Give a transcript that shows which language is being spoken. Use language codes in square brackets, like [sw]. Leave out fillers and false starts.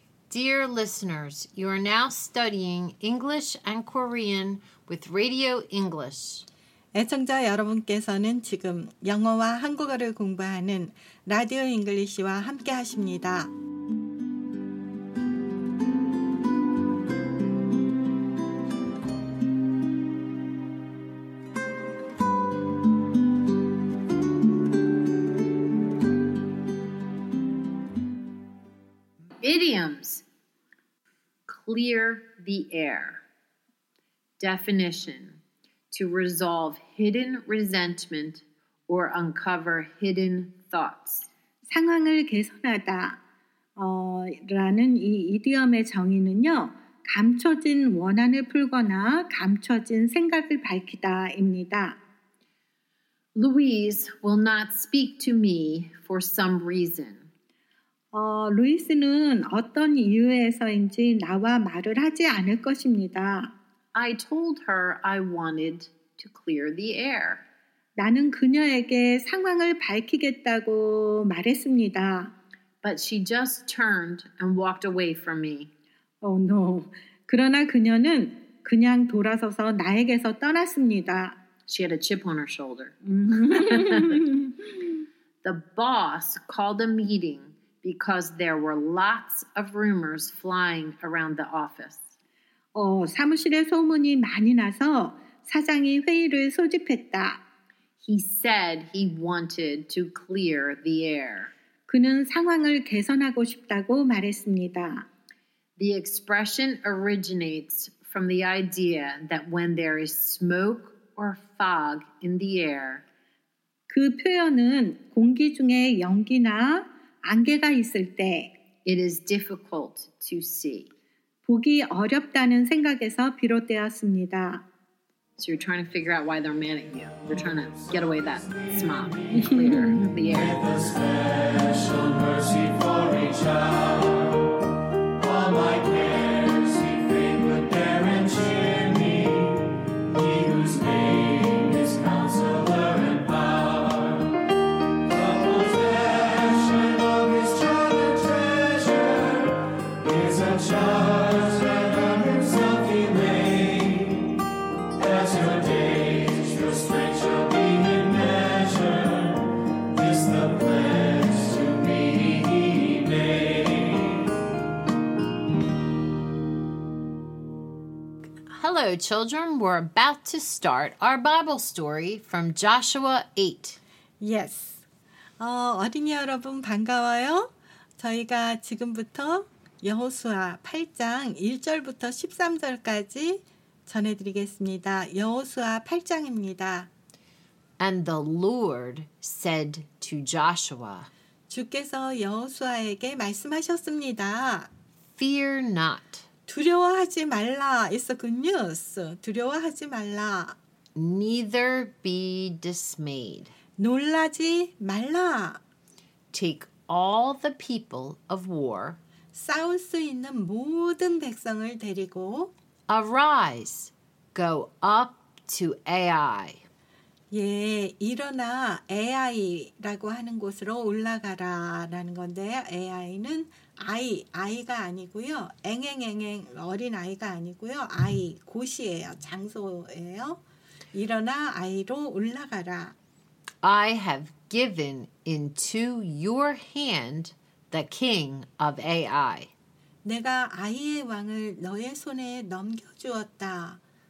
[en] Dear listeners, you are now studying English and Korean with Radio English. [ko] 애청자 여러분께서는 지금 영어와 한국어를 공부하는 라디오 잉글리시와 함께 하십니다. [en] Idioms. Clear the air. Definition. To resolve hidden resentment or uncover hidden thoughts. [ko] 상황을 개선하다 라는 이 idiom의 정의는요. 감춰진 원한을 풀거나 감춰진 생각을 밝히다입니다. [en] Louise will not speak to me for some reason. [ko] 루이스는 어떤 이유에서인지 나와 말을 하지 않을 것입니다. [en] I told her I wanted to clear the air. [ko] 나는 그녀에게 상황을 밝히겠다고 말했습니다. [en] But she just turned and walked away from me. Oh no. [ko] 그러나 그녀는 그냥 돌아서서 나에게서 떠났습니다. [en] She had a chip on her shoulder. The boss called a meeting. Because there were lots of rumors flying around the office. [ko] 사무실에 소문이 많이 나서 사장이 회의를 소집했다. [en] He said he wanted to clear the air. [ko] 그는 상황을 개선하고 싶다고 말했습니다. [en] The expression originates from the idea that when there is smoke or fog in the air. [ko] 그 표현은 공기 중에 연기나 안개가 있을 때 [en] It is difficult to see. [ko] 보기 어렵다는 생각에서 비롯되었습니다. [en] So you're trying to figure out why they're mad at you. You're trying to get away that smog and clear the air. With a special mercy for each other. All my cares he fain would dare and cheer me. He whose name is counselor and Hello, children. We're about to start our Bible story from Joshua 8. Yes. [ko] 어린이 여러분 반가워요. 저희가 지금부터 여호수아 8장 1절부터 13절까지 전해드리겠습니다. 여호수아 8장입니다. [en] And the Lord said to Joshua. [ko] 주께서 여호수아에게 말씀하셨습니다. [en] Fear not. [ko] 두려워하지 말라. [en] It's a good news. [ko] 두려워하지 말라. [en] Neither be dismayed. [ko] 놀라지 말라. [en] Take all the people of war. [ko] 싸울 수 있는 모든 백성을 데리고 [en] Arise, go up to Ai. [ko] 예, 일어나 Ai라고 하는 곳으로 올라가라 라는 건데요. Ai는 아이가 아니고요. 앵앵앵앵 어린 아이가 아니고요. 아이, 곳이에요. 장소예요. 일어나 아이로 올라가라. [en] I have given into your hand the king of Ai. [ko] 내가 아이의 왕을 너의 손에 넘겨주었다.